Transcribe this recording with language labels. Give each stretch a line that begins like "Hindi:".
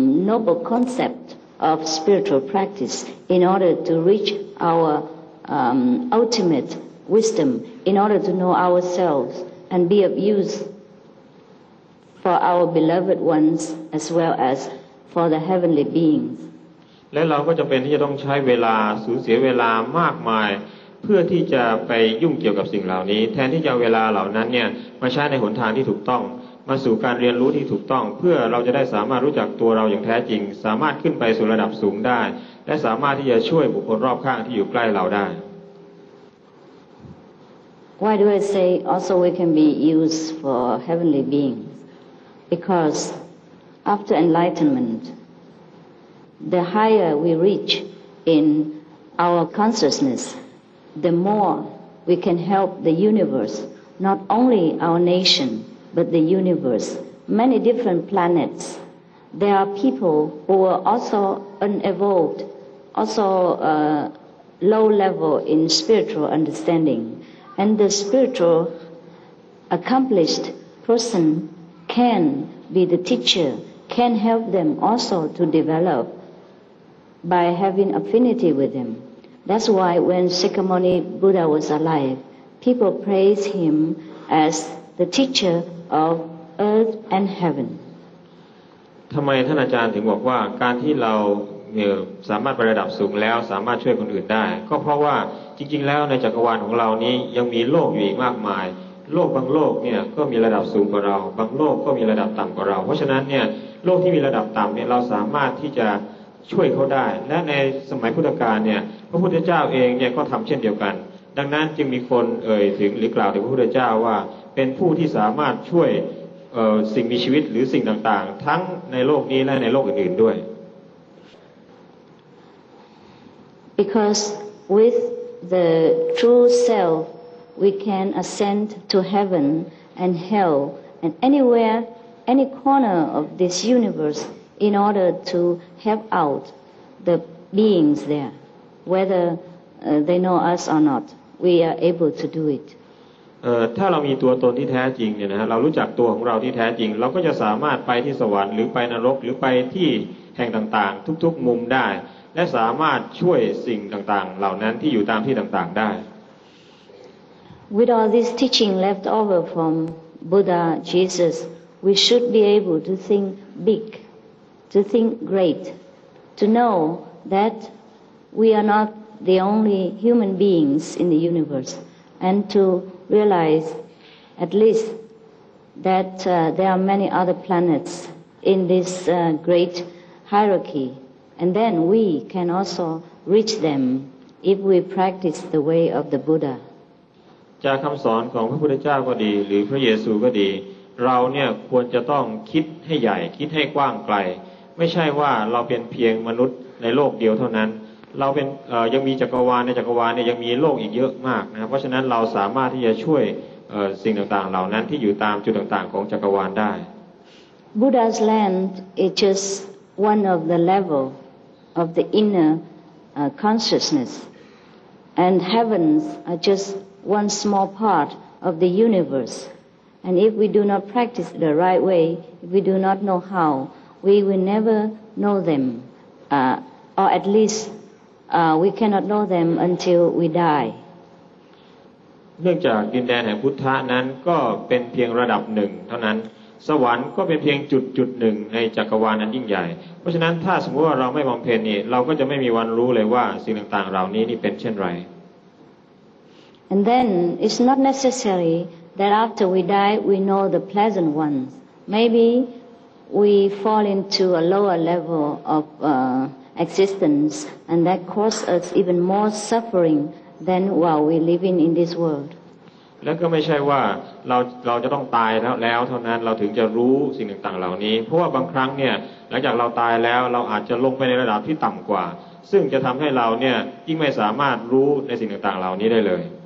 English: noble concept of spiritual practice in order to reach our ultimate wisdom in order to know ourselves and be of use for our beloved ones as well as for the heavenly beings
Thai: และเราก็จำเป็นที่จะต้องใช้เวลาสูญเสียเวลามากมายเพื่อที่จะไปยุ่งเกี่ยวกับสิ่งเหล่านี้แทนที่จะเวลาเหล่านั้นเนี่ยมาใช้ในหนทางที่ถูกต้องมาสู่การเรียนรู้ที่ถูกต้องเพื่อเราจะได้สามารถรู้จักตัวเราอย่างแท้จริงสามารถขึ้นไปสู่ระดับสูงได้และสามารถที่จะช่วยบุคคลรอบข้างที่อยู่ใกล้เราได้
English: Why do I say also we can be used for heavenly beings because after enlightenmentThe higher we reach in our consciousness, the more we can help the universe, not only our nation, but the universe. Many different planets. There are people who are also unevolved, also low level in spiritual understanding. And the spiritual accomplished person can be the teacher, can help them also to develop. By having affinity with him, that's why when Shakyamuni Buddha was alive, people praised him as the teacher of earth and heaven.
Thai: ทำไมท่านอาจารย์ถึงบอกว่าการที่เราสามารถไประดับสูงแล้วสามารถช่วยคนอื่นได้ก็เพราะว่าจริงๆแล้วในจักรวาลของเรานี้ยังมีโลกอยู่อีกมากมายโลกบางโลกเนี่ยก็มีระดับสูงกว่าเราบางโลกก็มีระดับต่ำกว่าเราเพราะฉะนั้นเนี่ยโลกที่มีระดับต่ำเนี่ยเราสามารถที่จะ ช่วยเขาได้และในสมัยพุทธกาลเนี่ยพระพุทธเจ้าเองเนี่ยก็ทำเช่นเดียวกันดังนั้นจึงมีคนเอ่ยถึงหรือกล่าวถึงพระพุทธเจ้าว่าเป็นผู้ที่สามารถช่วยสิ่งมีชีวิตหรือสิ่งต่างๆทั้งในโลกนี้และในโลกอื่นๆด้วย
English: Because with the true self, we can ascend to heaven and hell and anywhere, any corner of this universe in order to help out the beings there. Whether they know us or not, we are able to do it.
Thai: ถ้าเรามีตัวตนที่แท้จริงเนี่ยนะฮะเรารู้จักตัวของเราที่แท้จริงเราก็จะสามารถไปที่สวรรค์หรือไปนรกหรือไปที่แห่งต่างๆทุกๆมุมได้และสามารถช่วยสิ่งต่างๆเหล่านั้นที่อยู่ตามที่ต่างๆได้
English: With all this teaching left over from Buddha Jesus we should be able to think big to think great to know that we are not the only human beings in the universe and torealize at least that there are many other planets in this great hierarchy and then we can also reach them if we practice the way of the Buddha
Thai: จากคำสอนของพระพุทธเจ้าก็ดีหรือพระเยซูก็ดีเราเนี่ยควรจะต้องคิดให้ใหญ่คิดให้กว้างไกลไม่ใช่ว่าเราเป็นเพียงมนุษย์ในโลกเดียวเท่านั้นเราเป็นยังมีจักรวาลในจักรวาลเนี่ยยังมีโลกอีกเยอะมากนะเพราะฉะนั้นเราสามารถที่จะช่วยสิ่งต่างๆเหล่านั้นที่อยู่ตามจุดต่างๆของจักรวาลได้
English: Buddha's land is just one of the level of the inner consciousness and heavens are just one small part of the universe and if we do not practice the right way if we do not know how we will never know them or at leastwe cannot know them until we die
Thai: เนื่องจากดินแดนแห่งพุทธะนั้นก็เป็นเพียงระดับหนึ่งเท่านั้นสวรรค์ก็เป็นเพียงจุดหนึ่งในจักรวาลนั้นยิ่งใหญ่เพราะฉะนั้นถ้าสมมติว่าเราไม่บำเพ็ญนี่เราก็จะไม่มีวันรู้เลยว่าสิ่งต่างๆเหล่านี้นี่เป็นเช่นไร
English: And then it's not necessary that after we die we know the pleasant ones maybe we fall into a lower level ofexistence and that causes us even more suffering than while we living in this world
Thai: แล้วก็ไม่ใช่ว่าเราจะต้องตายแล้วเท่านั้นเราถึงจะรู้สิ่งต่างๆเหล่านี้เพราะว่าบางครั้งเนี่ยหลังจากเราตายแล้วเราอาจจะลงไปในระดับที่ต่ำกว่าซึ่งจะทำให้เราเนี่ยยิ่งไม่สามารถรู้ในสิ่งต่างๆเหล่านี้ได้เลย